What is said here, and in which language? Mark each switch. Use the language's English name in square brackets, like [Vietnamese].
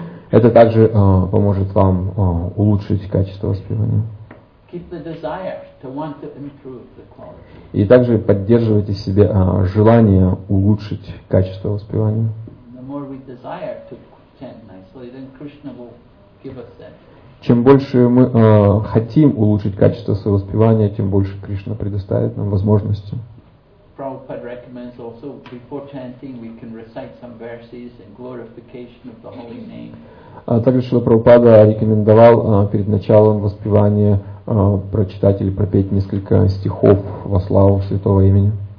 [Russian] Это также поможет вам улучшить качество воспевания. [English] Keep the desire to want to improve the quality. [Russian] И также поддерживайте в себе желание улучшить качество воспевания. [English] The more we desire to chant nicely, then Krishna will give us that. [Russian] Чем больше мы хотим улучшить качество своего воспевания, тем больше Кришна предоставит нам возможности. [English] Prabhupada recommends also before chanting we can recite some verses in glorification of the holy name. [Russian] Также Шрила Прабхупада рекомендовал перед началом воспевания прочитать или пропеть несколько стихов во славу святого имени.